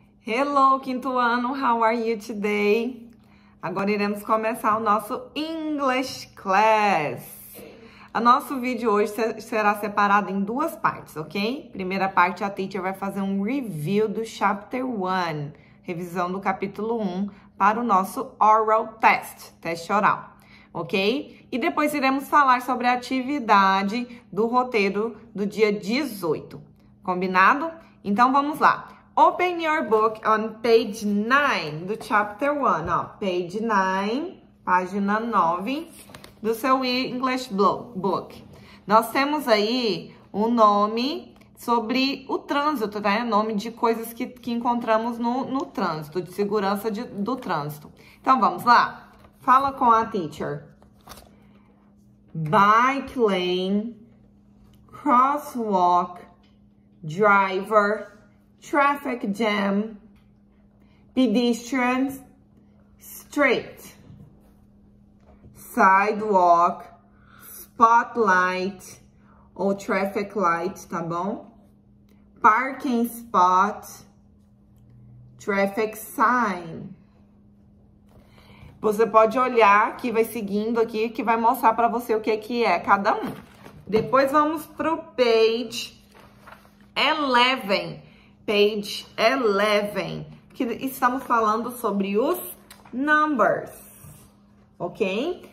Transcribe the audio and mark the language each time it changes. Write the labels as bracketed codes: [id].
[en] Hello, [pt] quinto ano, [en] how are you today? [pt] Agora iremos começar o nosso [en] English class. [pt] O nosso vídeo hoje será separado em duas partes, ok? Primeira parte, a teacher vai fazer um [en] review do chapter 1, [pt] revisão do capítulo 1, para o nosso [en] oral test, [pt] teste oral, ok? E depois iremos falar sobre a atividade do roteiro do dia 18, combinado? Então vamos lá. [en] Open your book on page 9 do chapter 1, ó. Page 9, [pt] página 9 do seu English book. Nós temos aí o nome sobre o trânsito, né? Nome de coisas que encontramos no trânsito, de segurança do trânsito. Então vamos lá. Fala com a teacher. [en] Bike lane, crosswalk, driver. Traffic jam, pedestrians, street, sidewalk, spotlight [pt] ou [en] traffic light, [pt] tá bom? [en] Parking spot, traffic sign. [pt] Você pode olhar que vai seguindo aqui, que vai mostrar para você o que é cada um. Depois vamos pro [en] page 11. [pt] Page 11, que estamos falando sobre os numbers, ok?